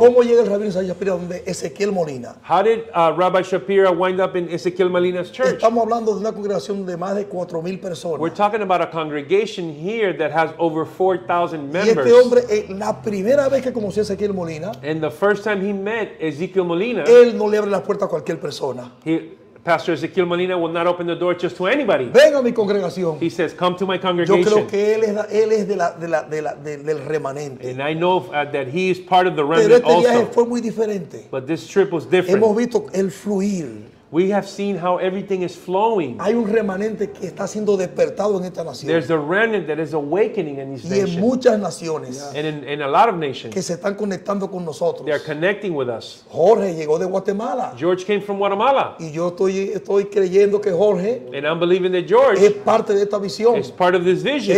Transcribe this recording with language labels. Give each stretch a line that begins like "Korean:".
Spanish: ¿Cómo llega el rabino Isaac Shapira donde Ezequiel Molina?
English: How did Rabbi Shapira wind up in Ezequiel Molina's church?
Spanish: Estamos hablando de una congregación de más de 4,000 personas.
English: We're talking about a congregation here that has over 4,000 members.
Spanish: Y este hombre, la primera vez que conoció a Ezequiel Molina.
English: And the first time he met Ezequiel Molina.
Spanish: Él no le abre la puerta a cualquier persona.
English: Pastor Ezequiel Molina will not open the door just to anybody.
Spanish: Venga a mi congregación.
English: He says, come to my congregation.
Spanish: Yo creo que él es del remanente.
English: And I know that he is part of the remnant
Spanish: Pero este
English: also.
Spanish: Viaje fue muy diferente.
English: But this trip was different.
Spanish: Hemos visto el fluir.
English: We have seen how everything is flowing.
Spanish: Hay un remanente que está siendo despertado en esta nación.
English: There's a remnant that is awakening in these
Spanish: nations. Y en muchas naciones.
English: And in a lot of nations.
Spanish: Que se están conectando con nosotros.
English: They are connecting with us.
Spanish: Jorge llegó de Guatemala.
English: George came from Guatemala.
Spanish: Y yo estoy creyendo que Jorge.
English: And I'm believing that George.
Spanish: Es parte de esta visión.
English: Is part of this vision.